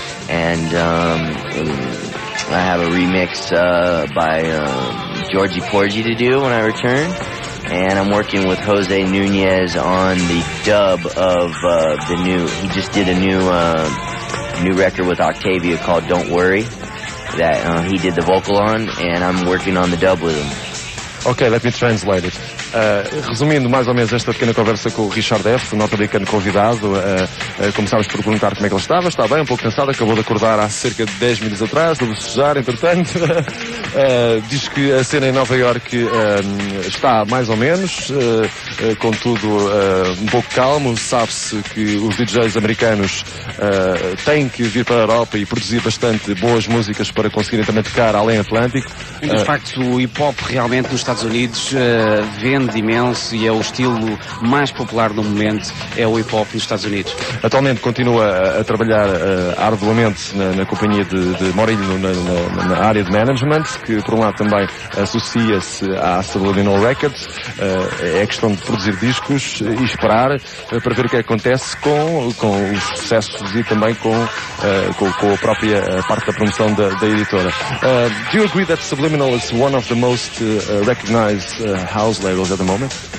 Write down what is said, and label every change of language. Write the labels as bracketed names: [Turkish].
[English] And I have a remix by Georgie Porgy to do when I return. And I'm working with Jose Nunez on the dub of the new. He just did a new new record with Octavia called "Don't Worry" that he did the vocal on, and I'm working on the dub with him. Ok, let me translate it. [Portuguese] Resumindo mais ou menos esta pequena conversa com o Richard F., o norte-americano convidado, começámos por perguntar como é que ele estava. Está bem, um pouco cansado, acabou de acordar há cerca de 10 minutos atrás, de bocejar, entretanto. Diz que a cena em Nova York está mais ou menos, contudo um pouco calmo. Sabe-se que os DJs americanos têm que vir para a Europa e produzir bastante boas músicas para conseguirem também tocar além Atlântico. De facto, o hip-hop realmente nos Estados Unidos vende imenso e é o estilo mais popular no momento, é o hip-hop nos Estados Unidos. Atualmente continua a trabalhar arduamente na companhia de Morinho na área de management, que por um lado também associa-se à Subliminal Records. É questão de produzir discos e esperar para ver o que acontece com os sucessos e também com a própria parte da promoção da editora. [English] Do you agree that Subliminal is one of the most recognize house labels at the moment?